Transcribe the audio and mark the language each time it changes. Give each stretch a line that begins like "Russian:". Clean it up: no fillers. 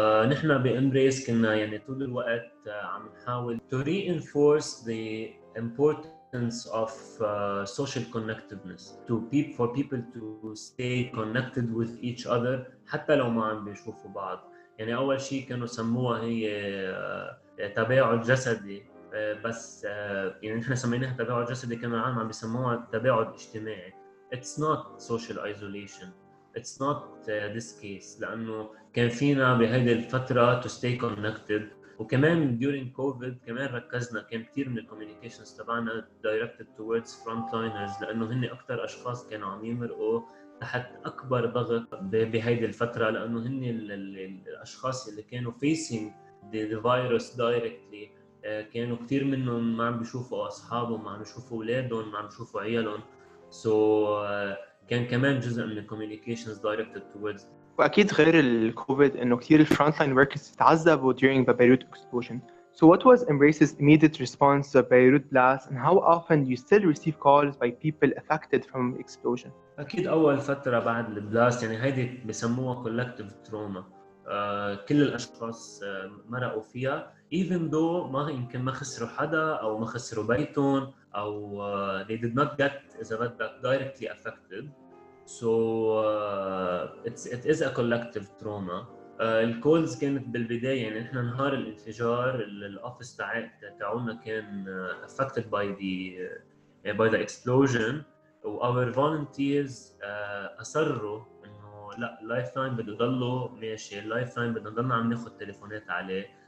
Arabic: نحن بإمبريس كنا يعني طول الوقت عم نحاول
English: to reinforce the importance of social connectedness for people to stay connected with each other
Arabic: حتى لو ما عم بيشوفوا بعض. يعني أول شيء كانوا سموها هي تباعد جسدي بس يعني نحن سميناها تباعد جسدي كانوا العالم عم بيسموها تباعد اجتماعي.
English: It's not social isolation. It's not this case
Arabic: لأنه كان فينا بهذه الفترة
English: to stay connected.
Arabic: وكمان during COVID كمان ركزنا كان كتير من الكوميونيكيشنز تبعنا
English: directed towards frontliners
Arabic: لأنه هني أكتر أشخاص كانوا عم يمرقوا تحت أكبر ضغط بهذه الفترة لأنه هني الأشخاص اللي كانوا
English: facing the virus directly
Arabic: كانوا كتير منهم ما عم بيشوفوا أصحابهم، ما عم بيشوفوا أولادهم، ما عم بيشوفوا عيالهم. So كان كمان جزء من
English: communications directed towards.
Arabic: وأكيد غير الكوفيد إنه كتير frontline workers تعذبوا
English: during the Beirut explosion. So what was Embrace's immediate response to the Beirut blast, and how often do you still receive calls by people affected from explosion?
Arabic: أكيد أول فترة بعد البلاست يعني هيدي بسموها
English: collective trauma.
Arabic: كل الأشخاص مرقوا فيها even though ما يمكن ما خسروا حدا أو ما خسروا بيتهم أو
English: they did not get
Arabic: إذا بدك
English: directly affected. So it is a collective trauma.
Arabic: الكولز كانت بالبداية يعني إحنا نهار الانفجار الأوفيس تاعنا كان
English: affected by the explosion. Our volunteers
Arabic: أصروا إنه لا لايفلاين بده يضلوا ماشي، لايفلاين بده نضلنا عم ناخد تليفونات عليه.